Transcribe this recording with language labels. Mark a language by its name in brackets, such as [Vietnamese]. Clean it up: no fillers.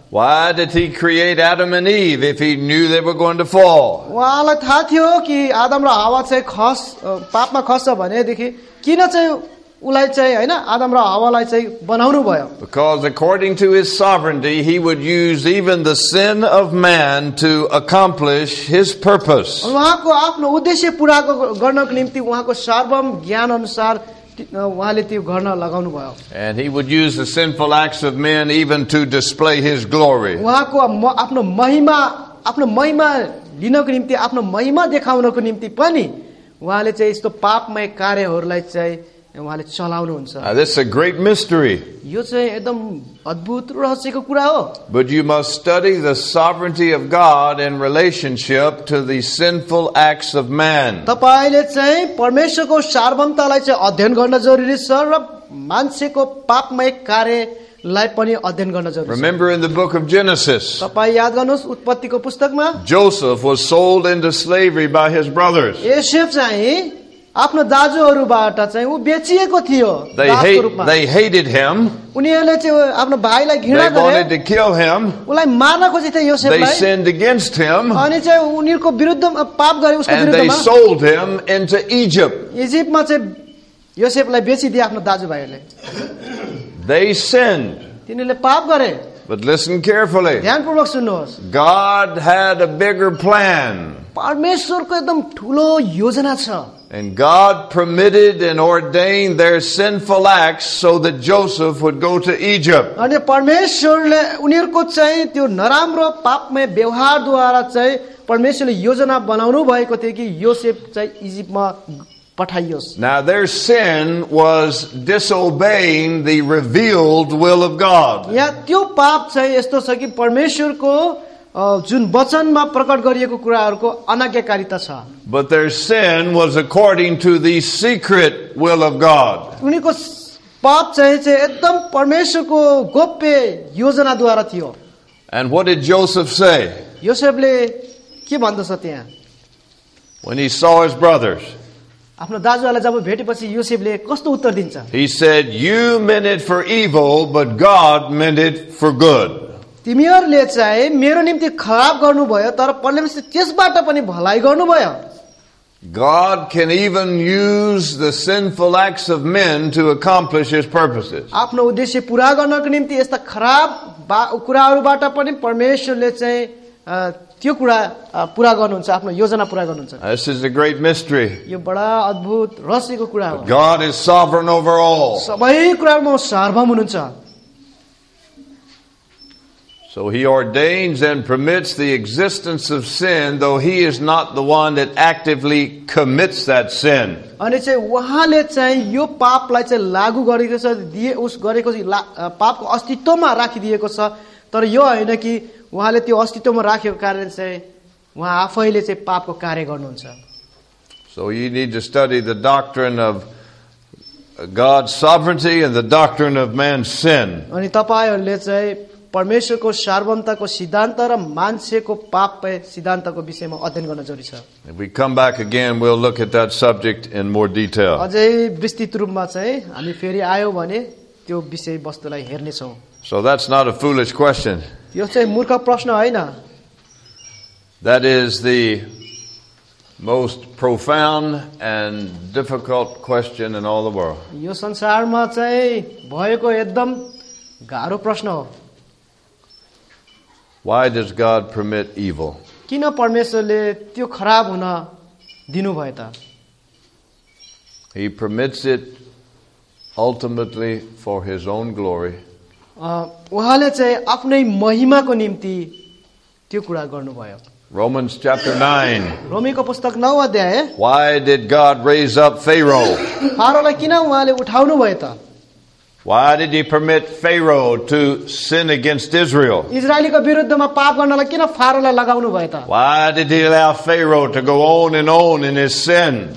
[English] Why did he create Adam and Eve if he knew they were going to fall? [Nepali] उहाँलाई थाहा थियो कि आदम र हावा चाहिँ खस पापमा खस्छ भनेदेखि किन चाहिँ उलाई चाहिँ हैन आदम र हावालाई चाहिँ बनाउनु भयो? [English] Because according to his sovereignty he would use even the sin of man to accomplish his purpose. [Nepali] उहाँको आफ्नो उद्देश्य पूरा गर्नको निम्ति उहाँको सार्वभौम ज्ञान अनुसार उहाँले त्यो गर्न लगाउनु भयो. [English] And he would use the sinful acts of men even to display his glory. [Nepali] उहाँको आफ्नो महिमा लिनको निम्ति आफ्नो महिमा देखाउनको निम्ति पनि उहाँले चाहिँ यस्तो पापमय कार्यहरूलाई चाहिँ उहाँले चलाउनुहुन्छ. [English] This is a great mystery. [Nepali] यो चाहिँ एकदम अद्भुत रहस्यको कुरा हो. [English] But you must study the sovereignty of God in relationship to the sinful acts of man. [Nepali] तपाईले चाहिँ परमेश्वरको सार्वभौमतालाई चाहिँ अध्ययन गर्न जरुरी छ र मान्छेको पापमय कार्यलाई पनि अध्ययन गर्न जरुरी छ. [English] Remember in the book of Genesis. [Nepali] तपाई याद गर्नुस् उत्पत्तिको पुस्तकमा. [English] Joseph was sold into slavery by his brothers. [Nepali] Joseph चाहिँ आफ्नो दाजुहरूबाट चाहिँ ऊ बेचिएको थियो. [English] They hated him. [Nepali] उनीहरूले चाहिँ आफ्नो भाइलाई घृणा गरे. [English] They wanted to kill him. [Nepali] उलाई मार्न खोजे थे योसेफलाई. [English] They sinned against him. [Nepali] अनि चाहिँ उनीहरूको विरुद्धमा पाप गरे उसको विरुद्धमा. [English] And they sold him into Egypt. [Nepali] इजिप्टमा चाहिँ योसेफलाई बेचिदिए आफ्नो दाजुभाइहरूले. [English] They sinned. [Nepali] तिनीहरूले पाप गरे. [English] But listen carefully. [Nepali] ध्यानपूर्वक सुन्नुहोस्. [English] God had a bigger plan. [Nepali] परमेश्वरको एकदम ठूलो योजना छ. [English] And God permitted and ordained their sinful acts so that Joseph would go to Egypt. [Nepali] अनि परमेश्वरले उनीहरुको चाहिँ त्यो नराम्रो पापमय व्यवहारद्वारा चाहिँ परमेश्वरले योजना बनाउनु भएको थियो कि योसेफ चाहिँ इजिप्टमा पठाइयोस्. [English] Now their sin was disobeying the revealed will of God. [Nepali] या त्यो पाप चाहिँ यस्तो छ कि परमेश्वरको जुन वचनमा प्रकट गरिएको कुराहरूको अनज्ञाकारिता छ. [English] But their sin was according to the secret will of God. [Nepali] उनीको पाप चाहिँ एकदम परमेश्वरको गोप्य योजनाद्वारा थियो. [English] And what did Joseph say? [Nepali] योसेफले के भन्दछ त्यहाँ? [English] When he saw his brothers. [Nepali] आफ्नो दाजुहरूलाई जब भेटेपछि योसेफले कस्तो उत्तर दिन्छ? [English] He said, "You meant it for evil, but God meant it for good." [Nepali] तिमीहरूले चाहिँ मेरो निम्ति खराब गर्नुभयो तर परमेश्वरले त्यसबाट पनि भलाइ गर्नुभयो. [English] God can even use the sinful acts of men to accomplish his purposes. [Nepali] आफ्नो उद्देश्य पूरा गर्नको निम्ति यस्ता खराब कुराहरूबाट पनि परमेश्वरले चाहिँ त्यो कुरा पूरा गर्नुहुन्छ, आफ्नो योजना पूरा गर्नुहुन्छ. [English] This is a great mystery. [Nepali] यो बडा अद्भुत रहस्यको कुरा हो. [English] God is sovereign over all. [Nepali] सबै कुरामा सार्वभौम हुनुहुन्छ. [English] So he ordains and permits the existence of sin, though he is not the one that actively commits that sin. [Nepali] अनि चाहिँ उहाँले चाहिँ यो पापलाई चाहिँ लागू गरेको छ, दिए उस गरेको छ, पापको अस्तित्वमा राखिदिएको छ, तर यो होइन कि उहाँले त्यो अस्तित्वमा राखेको कारण चाहिँ उहाँ आफैले चाहिँ पापको कार्य गर्नुहुन्छ. [English] So you need to study the doctrine of God's sovereignty and the doctrine of man's sin. [Nepali] अनि तपाईहरुले चाहिँ परमेश्वरको सार्वभौमताको सिद्धान्त र मान्छेको पाप सिद्धान्तको विषयमा अध्ययन गर्न जरुरी छ. [English] We come back again, we'll look at that subject in more detail. [Nepali] अझै विस्तृत रूपमा चाहिँ हामी फेरि आयो भने त्यो विषयवस्तुलाई हेर्ने छौ. [English] So that's not a foolish question. [Nepali] यो चाहिँ मूर्ख प्रश्न हैन. [English] That is the most profound and difficult question in all the world. [Nepali] यो संसारमा चाहिँ भएको एकदम गाह्रो प्रश्न हो. [English] Why does God permit evil? [Nepali] किन परमेश्वरले त्यो खराब हुन दिनुभयो त? [English] He permits it ultimately for his own glory. [Nepali] उहाँले चाहिँ आफ्नै महिमाको निम्ति त्यो कुरा गर्नुभयो. [English] Romans chapter 9. [Nepali] रोमीको पुस्तक 9 अध्याय. [English] Why did God raise up Pharaoh? [Nepali] फारोलाई किन उहाँले उठाउनु भयो त? [English] Why did he permit Pharaoh to sin against Israel? [Nepali] इजरायलको विरुद्धमा पाप गर्नलाई किन फारोलाई लगाउनु भयो त? [English] Why did he allow Pharaoh to go on and on in his sin?